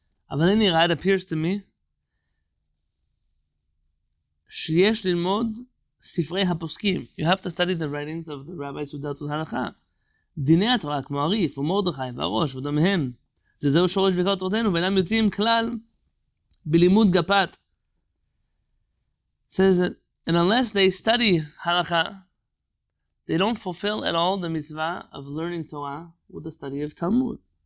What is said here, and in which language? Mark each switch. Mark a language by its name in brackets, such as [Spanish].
[Hebrew] אבל אני ראה, [English] it appears to me, [Hebrew] שיש ללמוד ספרי הפוסקים. [English] You have to study the writings of the rabbis who dealt with הלכה. [Hebrew] דיני התורה כמו עריף, ומורדכי, והראש, ודומיהם. וזהו שורש וכל תורתנו, ואינם יוצאים כלל... [English] Bilimud Gapat says that, and unless they study halakha, they don't fulfill at all the mitzvah of learning Torah with the study of Talmud.